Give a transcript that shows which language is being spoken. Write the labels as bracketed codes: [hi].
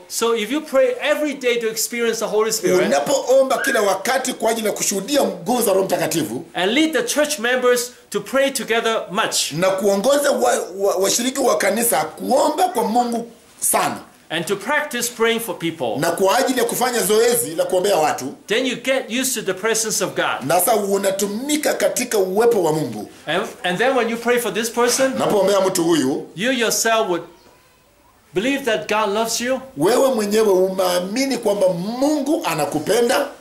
[en] So if you pray every day to experience the Holy Spirit. [sw] Unapoomba kila wakati kwa ajili ya kushuhudia nguvu za Roho Mtakatifu. [en] And lead the church members to pray together much. [sw] Na kuongoza washiriki wa kanisa kuomba kwa Mungu sana. [en] And to practice praying for people. [sw] Na kwa ajili ya kufanya zoezi la kuombea watu. [en] Then you get used to the presence of God. [sw] Na sasa unatumika katika uwepo wa Mungu. [en] And then when you pray for this person, [sw] napoombea mtu huyu, [en] you yourself would believe that God loves you. [sw] Wewe mwenyewe umeamini kwamba Mungu anakupenda.